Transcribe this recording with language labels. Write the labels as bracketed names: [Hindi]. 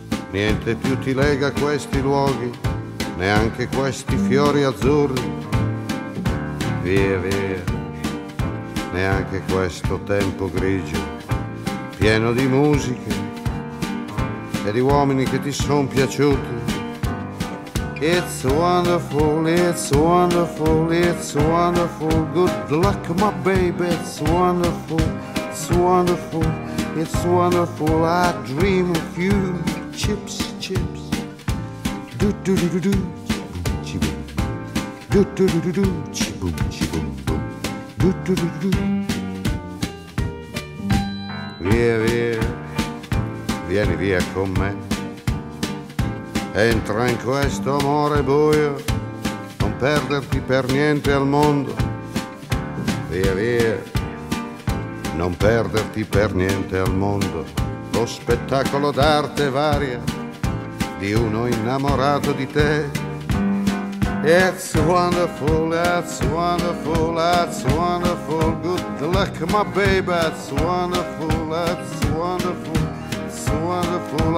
[Italian] Niente più ti lega a questi luoghi, neanche questi fiori azzurri. Via, via, neanche questo tempo grigio, pieno di musiche e di uomini che ti son piaciuti. [English] It's wonderful, it's wonderful, it's wonderful. Good luck, my baby, it's wonderful, it's wonderful, it's wonderful. I dream of you, chips, chips. Do-do-do-do-do, chi-boom, chi-boom. Do-do-do-do-do, chi-boom, chi-boom, boom. Do-do-do-do-do. [Italian] Via, via, vieni via con me. Entra in questo amore buio, non perderti per niente al mondo. Via, via, non perderti per niente al mondo. Lo spettacolo d'arte varia di uno innamorato di te. [English] It's wonderful, that's wonderful, that's wonderful. Good luck, my baby, that's wonderful, that's wonderful, it's wonderful.